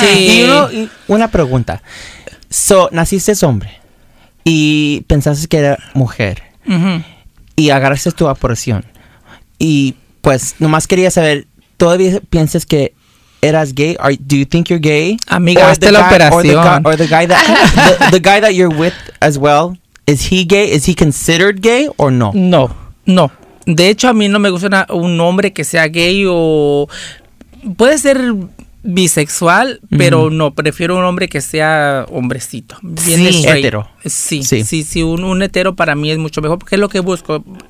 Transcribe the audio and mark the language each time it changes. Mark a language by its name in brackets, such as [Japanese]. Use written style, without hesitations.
[Spanish] Sí. Y una pregunta. So, naciste hombre y pensaste que era mujer. Uh-huh. Y agarraste tu operación. Y pues, nomás quería saber, ¿todavía piensas que eras gay? [English] Are, do you think you're gay? [Spanish] Amiga, hazte la operación. [English] Or the guy that, the guy that you're with as well, is he gay? Is he considered gay or no? [Spanish] No, no. De hecho, a mí no me gusta un hombre que sea gay o... Puede ser bisexual, mm-hmm. pero no, prefiero un hombre que sea hombrecito. Bien sí, hetero. Sí, sí, sí, sí, un hetero para mí es mucho mejor, porque es lo que busco.